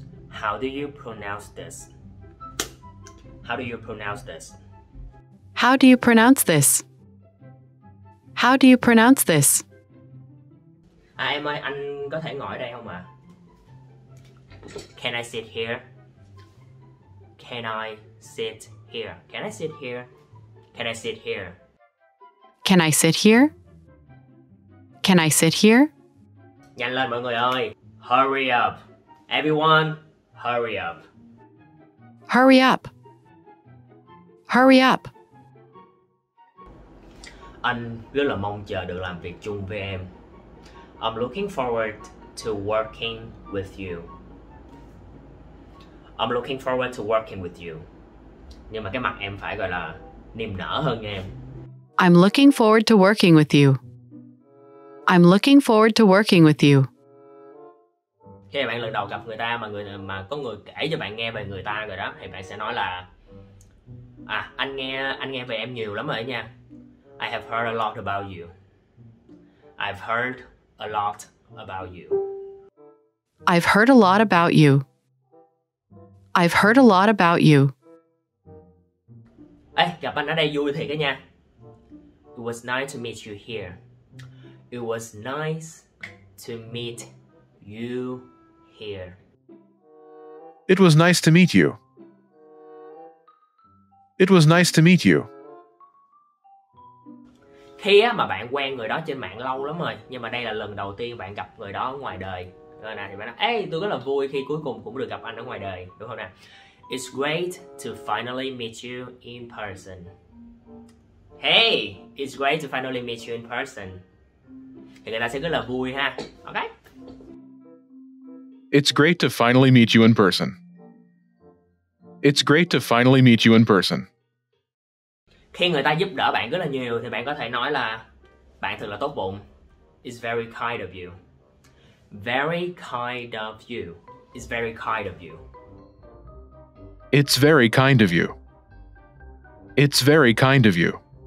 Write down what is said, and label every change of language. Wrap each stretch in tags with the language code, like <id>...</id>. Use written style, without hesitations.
<en>How do you pronounce this? How do you pronounce this? How do you pronounce this? How do you pronounce this?</en> <vi>À, em ơi, anh có thể ngồi ở đây không ạ?</vi> <en>Can I sit here? Can I sit here? Can I sit here? Can I sit here? Can I sit here? Can I sit here?</en> <vi>Nhanh lên mọi người ơi.</vi> <en>Hurry up. Everyone, hurry up. Hurry up. Hurry up.</en> <vi>Anh rất là mong chờ được làm việc chung với em.</vi> <en>I'm looking forward to working with you. I'm looking forward to working with you.</en> <vi>Nhưng mà cái mặt em phải gọi là niềm nở hơn nha em.</vi> <en>I'm looking forward to working with you. I'm looking forward to working with you.</en> <vi>Khi bạn lần đầu gặp người ta mà có người kể cho bạn nghe về người ta rồi đó, thì bạn sẽ nói là à, anh nghe về em nhiều lắm rồi nha.</vi> <en>I have heard a lot about you. I've heard a lot about you. I've heard a lot about you. I've heard a lot about you.</en> <vi>Ê, gặp anh ở đây vui thiệt đó nha.</vi> <en>It was nice to meet you here. It was nice to meet you here. It was nice to meet you. It was nice to meet you.</en> <vi>Khi mà bạn quen người đó trên mạng lâu lắm rồi, nhưng mà đây là lần đầu tiên bạn gặp người đó ngoài đời. Rồi nè, thì bạn nói, ê, tôi rất là vui khi cuối cùng cũng được gặp anh ở ngoài đời, đúng không nè?</vi> <en>It's great to finally meet you in person. Hey, it's great to finally meet you in person.</en> <vi>Thì người ta sẽ rất là vui ha.</vi> <en>Okay. It's great to finally meet you in person. It's great to finally meet you in person.</en> <vi>Khi người ta giúp đỡ bạn rất là nhiều thì bạn có thể nói là bạn thật là tốt bụng.</vi> <en>It's very kind of you. Very kind of you. It's very kind of you. It's very kind of you. It's very kind of you.</en>